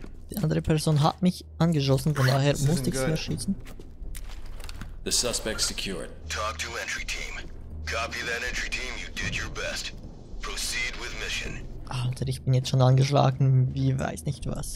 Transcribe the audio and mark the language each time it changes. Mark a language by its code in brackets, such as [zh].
[de] Die andere Person hat mich angeschossen, von daher musste ich sie erschießen. [en] The suspect secured. Talk to entry team. Copy that entry team, you did your best. Proceed with mission. [de] Alter, ich bin jetzt schon angeschlagen, wie weiß nicht was.